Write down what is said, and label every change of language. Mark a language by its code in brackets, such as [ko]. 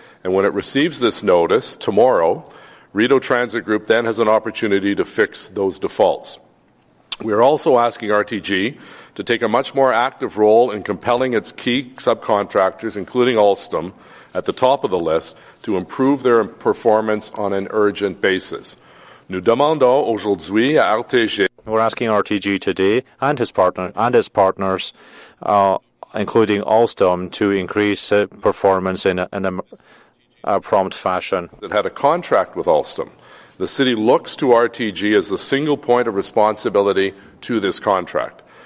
[en] And when it receives this notice tomorrow, Rideau Transit Group then has an opportunity to fix those defaults. We are also asking RTG to take a much more active role in compelling its key subcontractors, including Alstom, at the top of the list, to improve their performance on an urgent basis. [fr] Nous demandons aujourd'hui à RTG. [en] We're asking RTG today and his partners, including Alstom, to increase performance in a prompt fashion. It had a contract with Alstom. The city looks to RTG as the single point of responsibility to this contract.